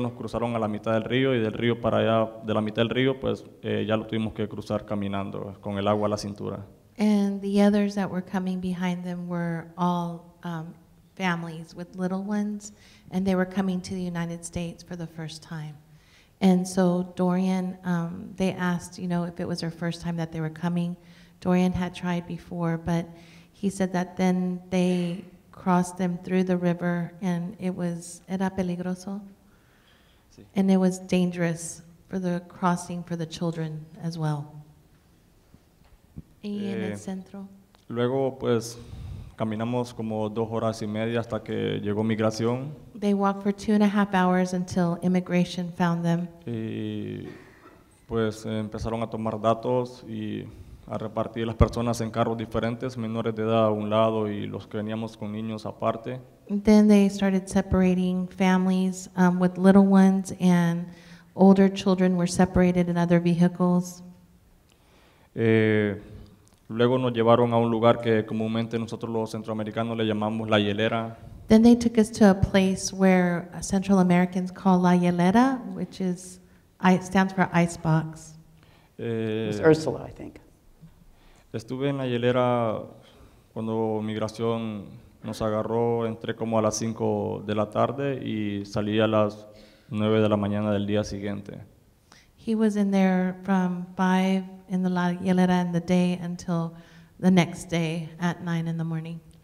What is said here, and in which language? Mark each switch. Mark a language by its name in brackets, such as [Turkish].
[Spanish] Nos cruzaron a la mitad del río, y del río para allá, de la mitad del río, pues ya lo tuvimos que cruzar caminando con el agua a la cintura. [English] And the others that were coming behind them were all families with little ones, and they were coming to the United States for the first time. And so Dorian, they asked, you know, if it was her first time that they were coming. Dorian had tried before, but he said that then they crossed them through the river, and it was, [Spanish] era peligroso. Sí. [English] And it was dangerous for the crossing for the children as well. [Spanish] Y en el centro. Luego, pues, caminamos como dos horas y media hasta que llegó migración. [English] They walked for 2.5 hours until immigration found them. [Spanish] Y, pues, empezaron a tomar datos y a repartir las personas en carros diferentes, menores de edad a un lado y los que veníamos con niños aparte. [English] Then they started separating families with little ones, and older children were separated in other vehicles. [Spanish] Luego nos llevaron a un lugar que comúnmente nosotros los centroamericanos le llamamos la hielera. [English] Then they took us to a place where Central Americans call la hielera, which is, stands for ice box. It's Ursula, I think. [Spanish] Estuve en la hielera cuando migración nos agarró. Entré como a las 5 de la tarde y salí a las 9 de la mañana del día siguiente. [English] He was in there from 5 in the la hielera in the day until the next day at 9 in the morning.